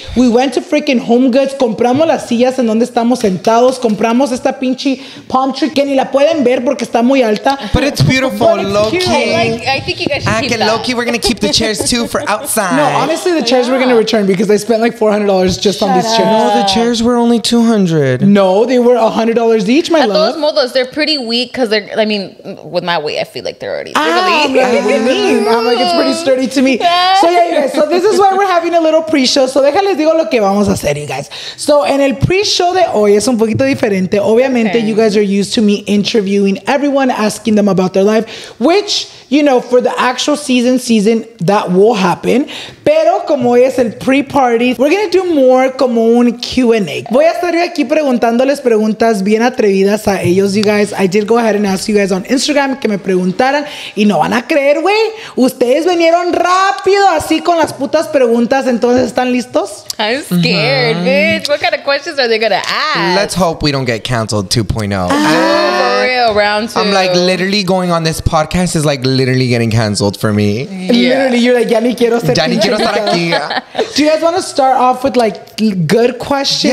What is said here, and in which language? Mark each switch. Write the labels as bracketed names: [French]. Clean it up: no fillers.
[English] We went to freaking Home Goods, [Spanish] compramos las sillas en donde estamos sentados, compramos esta pinche palm tree que ni la pueden ver porque está muy alta. [English] But it's beautiful, but it's low key. I think you guys should keep that. Low key, we're gonna keep the chairs too for outside. No, honestly, the chairs we're gonna return because I spent like $400 just on this chair. No, the chairs were only $200. No, they were $100 each, my love. Those modos, they're pretty weak because they're, I mean, with my weight, I feel like they're already. I'm like, it's pretty sturdy to me. So yeah, you guys, so this is why we're having a little pre-show. So [Spanish] déjales digo lo que vamos a hacer, [English] you guys. So [Spanish] en el pre-show de hoy es un poquito diferente. [English] Obviamente, you guys are used to me interviewing everyone, asking them about their life, which you know, for the actual season, that will happen. [Spanish] Pero como hoy es el pre-party, [English] we're going to do more [Spanish] como un Q&A. Voy a estar aquí preguntándoles preguntas bien atrevidas a ellos, you guys. [English] I did go ahead and ask you guys on Instagram [Spanish] que me preguntaran. Y no van a creer, güey. Ustedes vinieron rápido así con las putas preguntas. Entonces, ¿están listos? [English] I'm scared, bitch. What kind of questions are they going to ask? Let's hope we don't get canceled 2.0. For real, round two. I'm like, literally going on this podcast is like literally getting canceled for me. Yeah. Literally, you're like, [Spanish] ya ni quiero ser. Ya ni quiero estar aquí. [English] Do you guys want to start off with like good questions?